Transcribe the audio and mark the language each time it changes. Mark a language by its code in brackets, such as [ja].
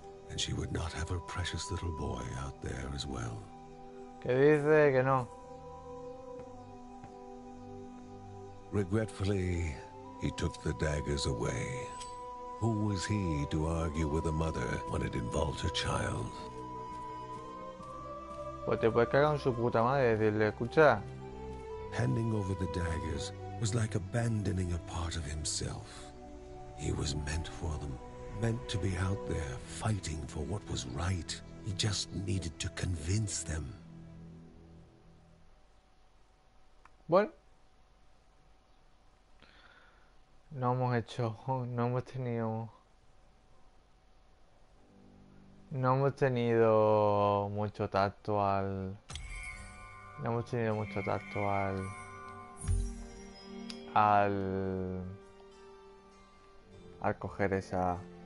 [en] And she would not have her precious little boy out there as well. [es] ¿Qué dice que no? [en] Regretfully, he took the daggers away. Who was he to argue with a mother when it involved her child? [es] Pues te puedes cagar en su puta madre y decirle, escucha. [en] Handing over the daggers was like abandoning a part of himself. He was meant for them. Meant to be out there fighting for what was right. He just needed to convince them. [es] Bueno, no hemos hecho, no hemos tenido, no hemos tenido mucho tacto al, no hemos tenido mucho tacto al, al, al coger esa.